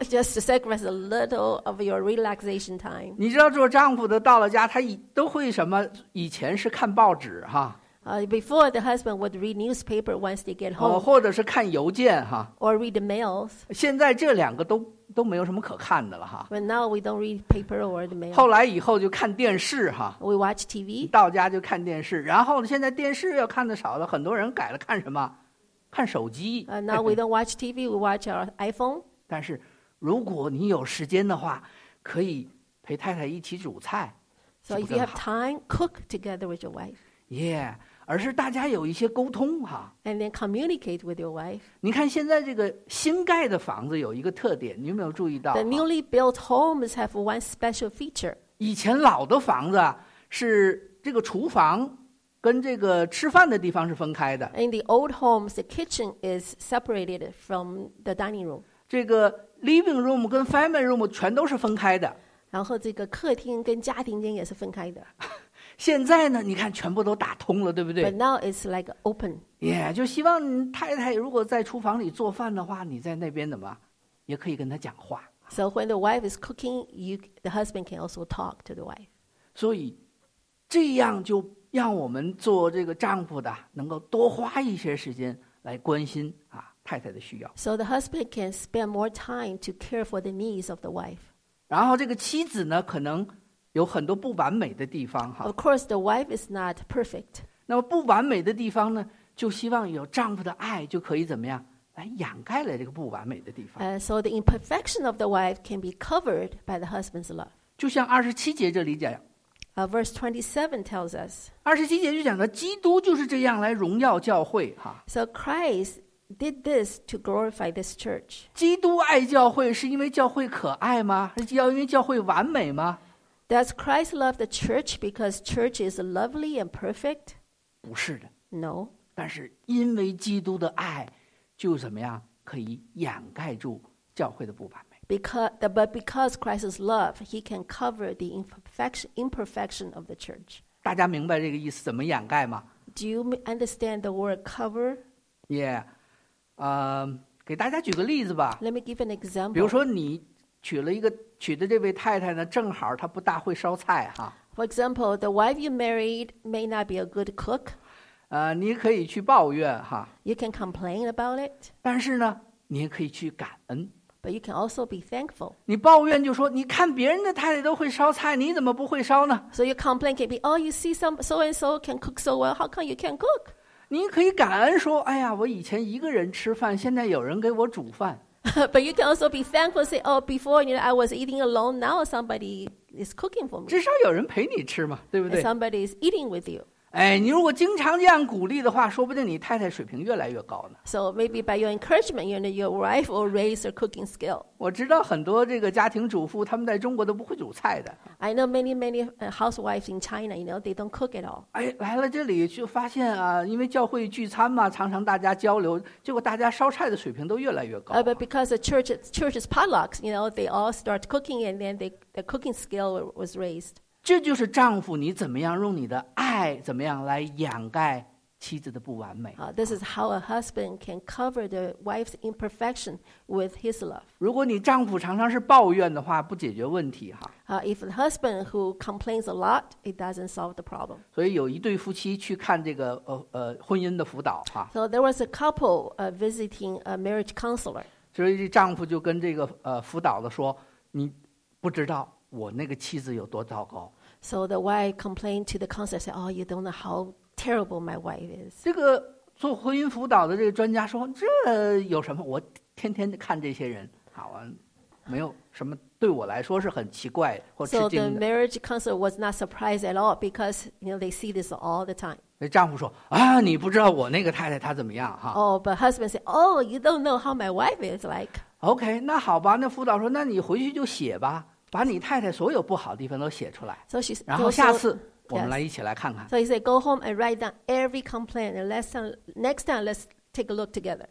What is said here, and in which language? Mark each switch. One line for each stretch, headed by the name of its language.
English: Just to sacrifice a little of your relaxation time.
Chinese: 你知道做丈夫的到了家他都会什么，以前是看报纸哈。
English: Before the husband would read newspaper once they get home.
Chinese: 或者是看邮件哈。
English: Or read the mails.
Chinese: 现在这两个都没有什么可看的了哈。
English: But now we don't read paper or the mail.
Chinese: 后来以后就看电视哈。
English: We watch TV.
Chinese: 到家就看电视，然后现在电视要看的少了，很多人改了看什么？看手机。
English: Now we don't watch TV, we watch our iPhone.
Chinese: 但是如果你有时间的话，可以陪太太一起煮菜。
English: So if you have time, cook together with your wife. Yeah.
Chinese: 而是大家有一些沟通哈。
English: And then communicate with your wife.
Chinese: 你看现在这个新盖的房子有一个特点，你有没有注意到？
English: The newly built homes have one special feature.
Chinese: 以前老的房子是这个厨房跟这个吃饭的地方是分开的。
English: In the old homes, the kitchen is separated from the dining room.
Chinese: 这个 living room 跟 family room 全都是分开的。然后这个客厅跟家庭间也是分开的。现在呢，你看全部都打通了，对不对？
English: But now it's like open.
Chinese: Yeah, 就希望太太如果在厨房里做饭的话，你在那边怎么也可以跟她讲话。
English: So when the wife is cooking, the husband can also talk to the wife.
Chinese: 所以这样就让我们做这个丈夫的能够多花一些时间来关心啊太太的需要。
English: So the husband can spend more time to care for the needs of the wife.
Chinese: 然后这个妻子呢，可能有很多不完美的地方哈。
English: Of course, the wife is not perfect.
Chinese: 那么不完美的地方呢，就希望有丈夫的爱就可以怎么样来掩盖了这个不完美的地方。
English: So the imperfection of the wife can be covered by the husband's love.
Chinese: 就像二十七节这里讲。
English: Verse 27 tells us.
Chinese: 二十七节就讲的基督就是这样来荣耀教会哈。
English: So Christ did this to glorify this church.
Chinese: 基督爱教会是因为教会可爱吗？是要因为教会完美吗？
English: Does Christ love the church because church is lovely and perfect?
Chinese: 不是的。
English: No.
Chinese: 但是因为基督的爱，就怎么样可以掩盖住教会的不完美。
English: Because Christ's love, he can cover the imperfection of the church.
Chinese: 大家明白这个意思，怎么掩盖吗？
English: Do you understand the word cover?
Chinese: Yeah. 给大家举个例子吧。
English: Let me give an example.
Chinese: 比如说你娶了一个娶的这位太太呢，正好她不大会烧菜哈。
English: For example, the wife you married may not be a good cook.
Chinese: 你可以去抱怨哈。
English: You can complain about it.
Chinese: 但是呢，你也可以去感恩。
English: But you can also be thankful.
Chinese: 你抱怨就说，你看别人的太太都会烧菜，你怎么不会烧呢
English: ？So your complaint can be, oh, you see some so and so can cook so well. How come you can't cook?
Chinese: 你可以感恩说，哎呀，我以前一个人吃饭，现在有人给我煮饭。
English: But you can also be thankful, say, oh, before, you know, I was eating alone, now somebody is cooking for me.
Chinese: 至少有人陪你吃嘛，对不对
English: ？And somebody is eating with you.
Chinese: 哎，你如果经常这样鼓励的话，说不定你太太水平越来越高呢。
English: So maybe by your encouragement, you know, your wife will raise her cooking skill.
Chinese: 我知道很多这个家庭主妇，他们在中国都不会煮菜的。
English: I know many, many housewives in China, you know, they don't cook at all.
Chinese: 哎，来了这里就发现啊，因为教会聚餐嘛，常常大家交流，结果大家烧菜的水平都越来越高。
English: But because the church's potlucks, you know, they all start cooking and then the cooking skill was raised.
Chinese: 这就是丈夫，你怎么样用你的爱，怎么样来掩盖妻子的不完美。
English: This is how a husband can cover the wife's imperfection with his love.
Chinese: 如果你丈夫常常是抱怨的话，不解决问题哈。
English: If a husband who complains a lot, it doesn't solve the problem.
Chinese: 所以有一对夫妻去看这个婚姻的辅导哈。
English: So there was a couple visiting a marriage counselor.
Chinese: 所以丈夫就跟这个辅导的说：“你不知道。” 我那个妻子有多糟糕
English: ？So the wife complained to the counselor, said, "Oh, you don't know how terrible my wife is."
Chinese: 这个做婚姻辅导的这个专家说，这有什么？我天天看这些人，好啊，没有什么对我来说是很奇怪或吃惊的。
English: So the marriage counselor was not surprised at all because you know they see this all the time.
Chinese: 那丈夫说啊，你不知道我那个太太她怎么样哈
English: ？Oh, but husband said, "Oh, you don't know how my wife is like."
Chinese: OK, 那好吧，那辅导说，那你回去就写吧。把你太太所有不好的地方都写出来，然后下次我们来一起来看看。
English: So he said, "Go home and write down every complaint. And last time, next time, let's take a look together."